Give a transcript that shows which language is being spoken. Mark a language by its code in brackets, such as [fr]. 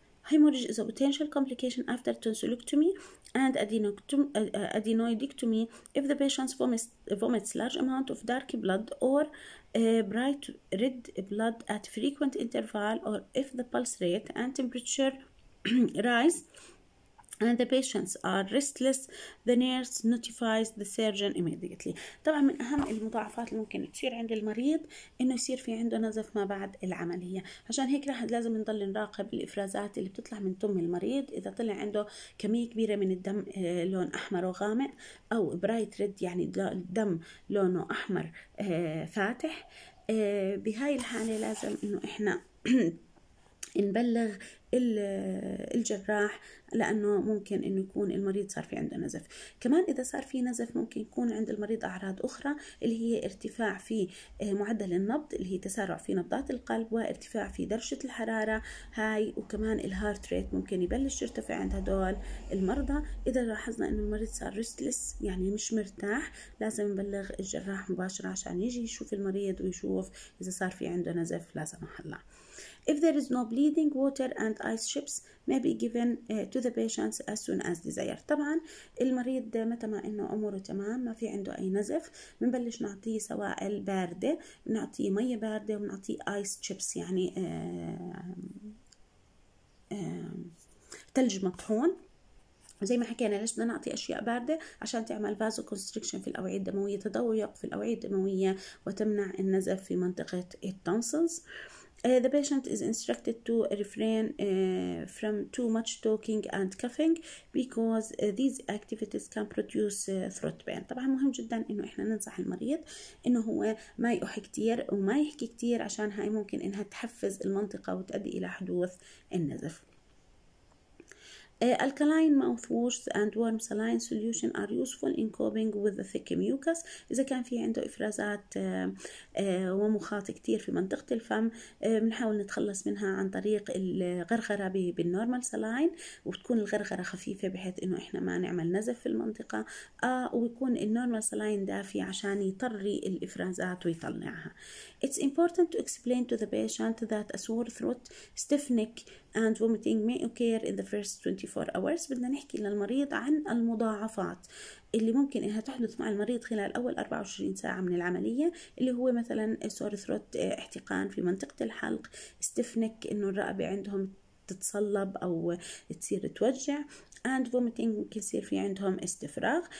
[en] Hemorrhage is a potential complication after tonsillectomy and adenoidectomy if the patient vomits large amount of dark blood or bright red blood at frequent interval or if the pulse rate and temperature rise and the patients are restless, the nurse notifies the surgeon immediately. [ar] طبعا من اهم المضاعفات اللي ممكن تصير عند المريض انه يصير في عنده نزف ما بعد العملية، عشان هيك راح لازم نضل نراقب الافرازات اللي بتطلع من تم المريض. اذا طلع عنده كمية كبيرة من الدم لون احمر وغامق او برايت ريد يعني الدم لونه احمر فاتح، بهاي الحالة لازم انه احنا نبلغ الجراح لأنه ممكن أنه يكون المريض صار في عنده نزف. كمان إذا صار في نزف ممكن يكون عند المريض أعراض أخرى اللي هي ارتفاع في معدل النبض اللي هي تسارع في نبضات القلب وارتفاع في درجة الحرارة هاي، وكمان الهارت ريت ممكن يبلش يرتفع عند هدول المرضى. إذا لاحظنا أنه المريض صار ريستلس يعني مش مرتاح لازم نبلغ الجراح مباشرة عشان يجي يشوف المريض ويشوف إذا صار في عنده نزف لا سمح الله. [en] If there is no bleeding, water and ice chips may be given to the patients as soon as desired. [ar] طبعا المريض متى ما انه اموره تمام ما في عنده اي نزف بنبلش نعطيه سوائل باردة، بنعطيه مية باردة وبنعطيه ice chips يعني ثلج مطحون. زي ما حكينا ليش بدنا نعطي اشياء باردة؟ عشان تعمل فازو كونستريكشن في الاوعية الدموية، تضيق في الاوعية الدموية وتمنع النزف في منطقة التونسلز. [en] The patient is instructed to refrain from too much talking and coughing because these activities can produce throat pain. [ar] طبعا مهم جدا انه احنا ننصح المريض انه هو ما يحكي كتير وما يحكي كتير عشان هاي ممكن انها تحفز المنطقة وتؤدي الى حدوث النزف. [en] Alkaline mouthwash and warm saline solution are useful in coping with the thick mucus. [ar] اذا كان في عنده افرازات ومخاط كثير في منطقه الفم بنحاول نتخلص منها عن طريق الغرغره بالنورمال سالين، وتكون الغرغره خفيفه بحيث انه احنا ما نعمل نزف في المنطقه، ويكون النورمال سالين دافي عشان يطري الافرازات ويطلعها. [en] It's important to explain to the patient that a sore throat, stiff neck and vomiting may occur in the first 24 hours. [ar] بدنا نحكي للمريض عن المضاعفات اللي ممكن انها تحدث مع المريض خلال اول 24 ساعة من العملية، اللي هو مثلا sore throat، احتقان في منطقة الحلق، stiff neck انه الرقبة عندهم تتصلب او تصير توجع، [en] and vomiting [ar] ممكن يصير في عندهم استفراغ.